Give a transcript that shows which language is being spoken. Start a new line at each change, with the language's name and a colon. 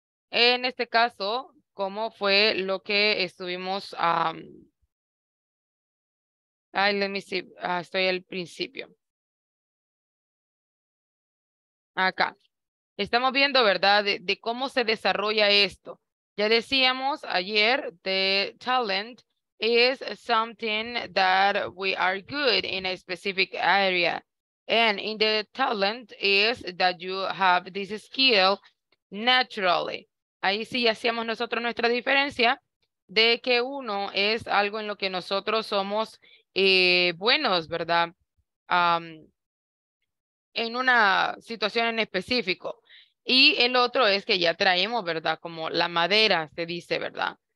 Spanish: En este caso, ¿cómo fue lo que estuvimos? Ay,
English: let me see,
Spanish: estoy al principio. Acá. Estamos viendo, ¿verdad?, de cómo se desarrolla esto. Ya decíamos ayer,
English: the talent is something that we are good in a specific area. And in the talent is that you have this skill naturally.
Spanish: Ahí sí hacíamos nosotros nuestra diferencia de que uno es algo en lo que nosotros somos buenos, ¿verdad? En una situación en específico. Y el otro es que ya traemos, ¿verdad? Como la madera, se dice, ¿verdad?